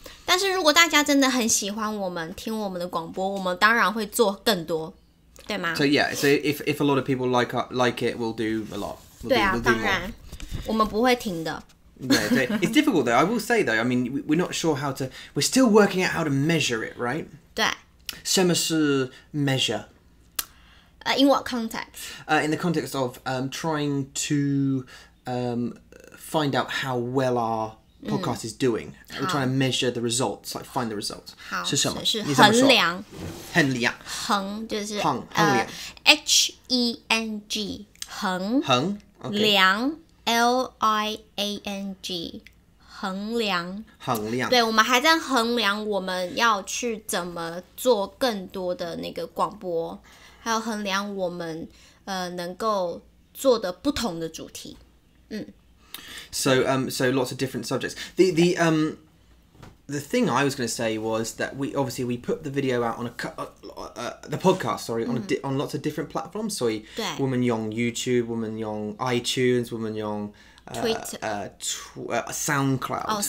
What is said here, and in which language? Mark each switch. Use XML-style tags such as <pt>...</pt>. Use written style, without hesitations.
<zh>但是如果大家真的很喜欢我们，听我们的广播，我们当然会做更多，对吗？</zh> <en>So yeah, so if a lot of people like it, we'll do a lot. We'll</en> <zh>对啊，当然，我们不会停的。对对</zh> <en>，It's difficult though. I will say though. I mean, we're not sure how to. We're still working out how to measure it, right?</en> <zh>对。什么是 measure？</zh> <en>In what context? In the context of trying to find out how well our podcast is doing. We're trying to measure the results, like find the results.</en> <zh>好，是什么？是衡量。衡量。衡就是衡衡量。 H-E-N-G 衡。衡。量。L-I-A-N-G 衡量。衡量。对，我们还在衡量我们要去怎么做更多的那个广播。还有衡量我们能够做的不同的主题，嗯。</zh> <en>So so lots of different subjects. The thing I was going to say was that we put the video out on the podcast on lots of different platforms. So we use YouTube, we use iTunes, we use SoundCloud.</en>